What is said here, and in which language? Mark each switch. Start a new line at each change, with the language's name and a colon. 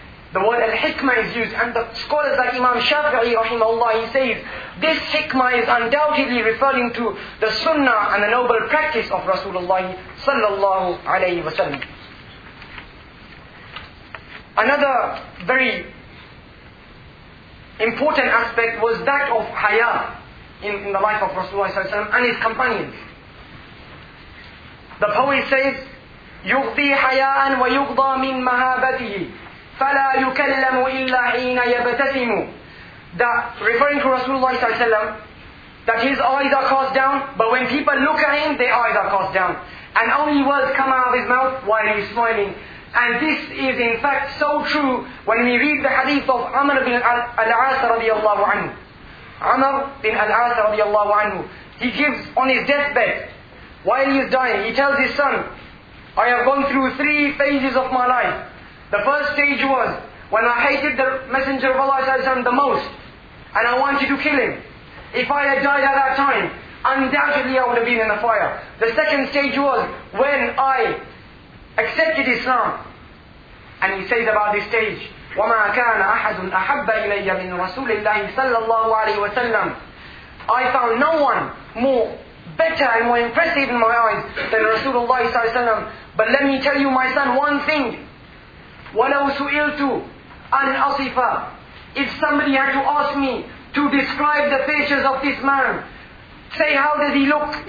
English: The word al-hikmah is used, and the scholars like Imam Shafi'i rahimahullah, he says, this hikmah is undoubtedly referring to the sunnah and the noble practice of Rasulullah sallallahu alayhi wa sallam. Another very important aspect was that of haya in the life of Rasulullah sallallahu alayhi wa sallam and his companions. The poet says,
Arabic: يُغْضِي حَيَاءً وَيُغْضَى مِنْ مَهَابَتِهِ فَلَا يُكَلَّمُ إِلَّا حِينَ يَبْتَسِمُ.
English: That, referring to Rasulullah ﷺ, that his eyes are cast down, but when people look at him, their eyes are cast down. And only words come out of his mouth while he is smiling. And this is in fact so true when we read the hadith of Amr bin Al-As radiallahu anhu. Amr bin Al-As radiallahu anhu. He gives on his deathbed, while he is dying, he tells his son, I have gone through three phases of my life. The first stage was when I hated the Messenger of Allah the most and I wanted to kill him. If I had died at that time, undoubtedly I would have been in the fire. The second stage was when I accepted Islam. And he says about this stage,
Arabic: وَمَا كَانَ أَحَدٌ أَحَبَّ إِلَيَّ مِنْ رَسُولِ اللَّهِ صَلَّى اللَّهُ عَلَيْهِ وَسَلَّمْ.
English: I found no one more better and more impressive in my eyes than Rasulullah صلى الله عليه وسلم. But let me tell you, my son, one thing.
Arabic: وَلَوْ سُئِلْتُ أَنْ أَصِفَ.
English: If somebody had to ask me to describe the features of this man, say, how does he look?